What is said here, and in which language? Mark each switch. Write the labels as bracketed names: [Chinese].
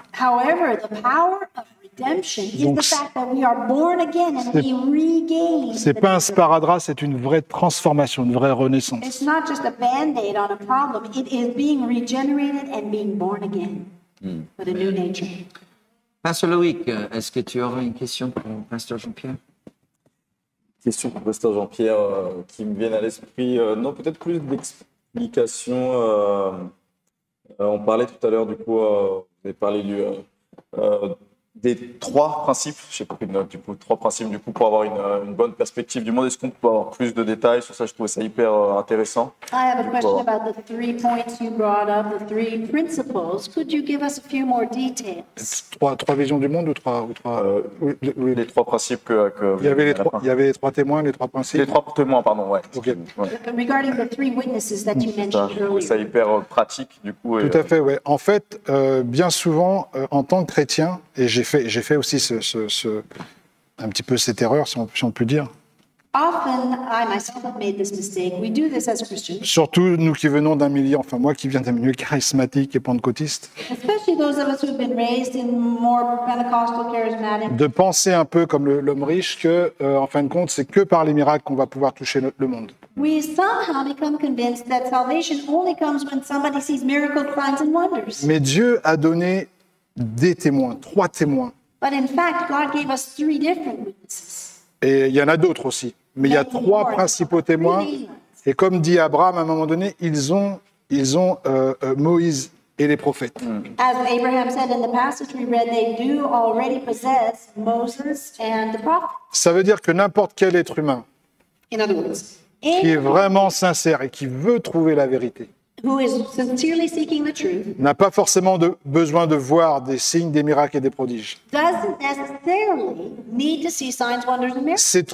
[English] However, the power of redemption is the fact that we are born again and we regain. [French] C'est pas un sparadrap, c'est une vraie transformation, une vraie renaissance. [English] It's not just a band-aid on a problem, it is being regenerated and being born again with a new nature. [French] Pasteur Loïc, est-ce que tu aurais une question pour Pasteur Jean-Pierre? Question pour Pasteur Jean-Pierre qui me viennent à l'esprit, non, peut-être plus d'explications. On parlait tout à l'heure du coup, on avait parlé des trois principes. J'ai pris une note du coup, trois principes du coup pour avoir une bonne perspective du monde. Est-ce qu'on peut avoir plus de détails sur ça? Je trouvais ça hyper intéressant. [English] I have a question about the three points you brought up, the three principles. Could you give us a few more details? [French] Trois visions du monde ou trois les trois principes que il y avait les trois témoins, les trois principes. Les trois témoins, pardon, ouais. Ok. Ouais. [English] Regarding the three witnesses that you mentioned earlier. [French] Je trouvais ça hyper pratique du coup. Tout à fait, ouais. En fait, bien souvent, en tant que chrétien, et j'ai fait aussi ce un petit peu cette erreur, si on peut dire. [English] Often, I myself have made this mistake. We do this as Christians. [French] Surtout nous qui venons d'un milieu, enfin moi qui viens d'un milieu charismatique et pentecôtiste. [English] Especially those of us who have been raised in more Pentecostal charismatic. [French] De penser un peu comme l'homme riche que, en fin de compte, c'est que par les miracles qu'on va pouvoir toucher le monde. [English] We somehow become convinced that salvation only comes when somebody sees miracles, signs and wonders. [French] Mais Dieu a donné des témoins, trois témoins. [English] But in fact, God gave us three different witnesses. [French] Et il y en a d'autres aussi. Mais il y a trois principaux témoins. Et comme dit Abraham à un moment donné, ils ont Moïse et les prophètes. [English] As Abraham said in the passage we read, they do already possess Moses and the prophets. [French] Ça veut dire que n'importe quel être humain qui est vraiment sincère et qui veut trouver la vérité [English] who is sincerely seeking the truth, [French] n'a pas forcément besoin de voir des signes, des miracles et des prodiges. [English] Doesn't necessarily need to see signs, wonders, and miracles.